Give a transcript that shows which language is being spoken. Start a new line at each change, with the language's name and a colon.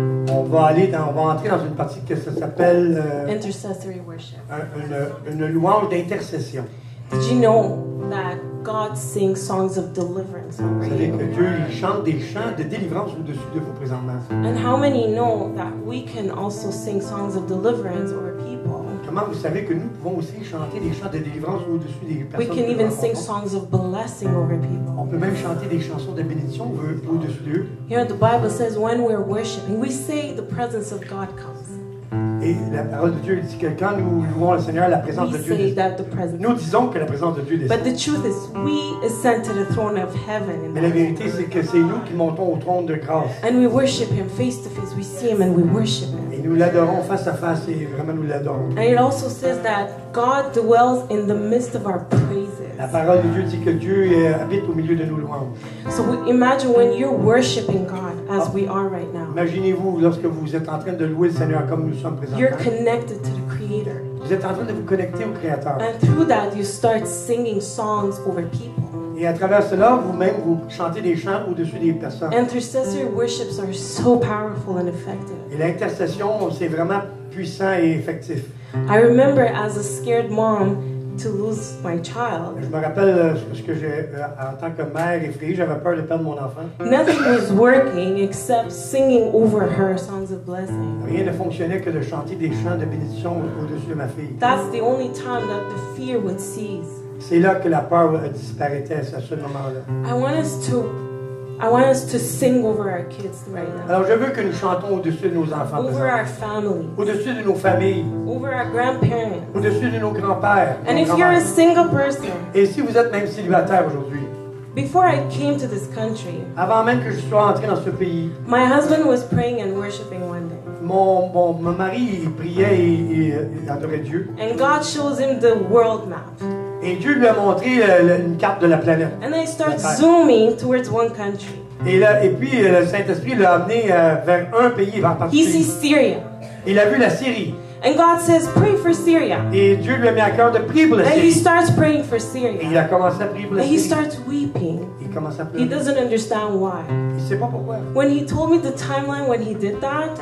French: On va entrer dans une partie que ça s'appelle
English: intercessory worship.
French: Une louange d'intercession.
English: Did you know that God sings songs of deliverance?
French: C'est-à-dire que Dieu chante des chants de délivrance au-dessus de vous présentement.
English: And how many know that we can also sing songs of deliverance over people?
French: Comment vous savez que nous pouvons aussi chanter des chants de délivrance au-dessus des personnes?
English: We can even sing songs of blessing over people.
French: On peut même chanter des chansons de bénédiction au-dessus d'eux.
English: Here the Bible says when we're worshiping, we say the presence of God comes.
French: Et la parole de Dieu dit que quand nous louons le Seigneur, la présence de Dieu descend. Nous disons que la présence de Dieu descend.
English: But the truth is, we ascend to the throne of heaven.
French: Mais la vérité, c'est que c'est nous qui montons au trône de grâce.
English: And we worship Him face to face. We see Him and we worship Him.
French: Et nous l'adorons face à face et vraiment nous l'adorons.
English: And it also says that God dwells in the midst of our praises.
French: La parole de Dieu dit que Dieu habite au milieu de nos louanges.
English: So imagine when you're worshiping God as we are right now.
French: Imaginez-vous lorsque vous êtes en train de louer le Seigneur comme nous sommes présentement.
English: You're connected to the Creator.
French: Vous êtes en train de vous connecter au Créateur.
English: And through that, you start singing songs over people.
French: Et à travers cela, vous-même, vous chantez des chants au-dessus des personnes.
English: Intercessory worships are so powerful and effective.
French: Et l'intercession, c'est vraiment puissant et effectif.
English: I remember as a scared mom to lose my child.
French: Je me rappelle ce que j'ai en tant que mère effrayée, j'avais peur de perdre mon enfant.
English: Nothing was working except singing over her songs of blessing.
French: Rien ne fonctionnait que de chanter des chants de bénédiction au-dessus de ma fille.
English: That's the only time that the fear would cease.
French: C'est là que la peur disparaissait à ce moment-là.
English: I want us to sing over our kids right now.
French: Alors je veux que nous chantons au-dessus de nos enfants.
English: Over our families.
French: Au-dessus de nos familles.
English: Over our grandparents.
French: Au-dessus de nos grands-pères.
English: And if you're a single person.
French: Et si vous êtes même célibataire aujourd'hui.
English: Before I came to this country.
French: Avant même que je sois entré dans ce pays.
English: My husband was praying and worshiping one day.
French: Mon mari priait et adorait Dieu.
English: And God shows him the world map.
French: Et Dieu lui a montré une carte de la planète.
English: And I start zooming towards one country.
French: Et puis le Saint-Esprit l'a amené vers un pays en particulier.
English: He sees Syria.
French: Il a vu la Syrie.
English: And God says, pray for Syria.
French: Et Dieu lui a mis à cœur de prier pour la
English: And
French: Syrie.
English: And he starts praying for Syria.
French: Et il a commencé à prier pour la
English: And
French: Syrie.
English: He starts weeping.
French: Il commence à pleurer.
English: He doesn't understand why.
French: Il sait pas pourquoi.
English: When he told me the timeline when he did that,